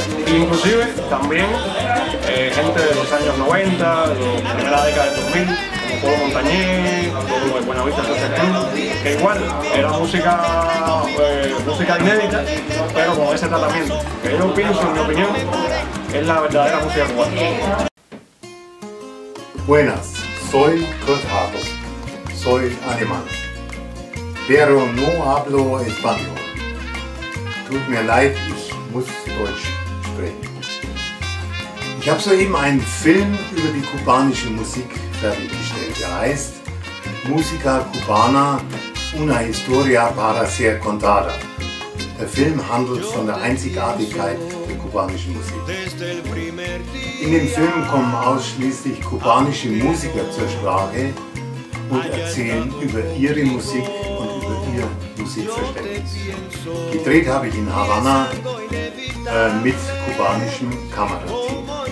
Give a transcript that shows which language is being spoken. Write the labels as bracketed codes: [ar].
[es] Inclusive también gente de los años 90, de la primera década del 2000, como Polo Montañé, como el Buenavista Sacerdote, que igual era música, música inédita, pero con ese tratamiento. Que yo pienso, en mi opinión, es la verdadera música cubana. Buenas, soy Kurt Harpo, soy alemán, pero no hablo español. [de] Tut mir leid, ich muss Deutsch sprechen. Ich habe soeben einen Film über die kubanische Musik fertiggestellt. Der heißt Musica Cubana, una historia para ser contada. Der Film handelt von der Einzigartigkeit der kubanischen Musik. In dem Film kommen ausschließlich kubanische Musiker zur Sprache und erzählen über ihre Musik und über ihr Musikverständnis. Gedreht habe ich in Havanna mit kubanischem Kamerateam.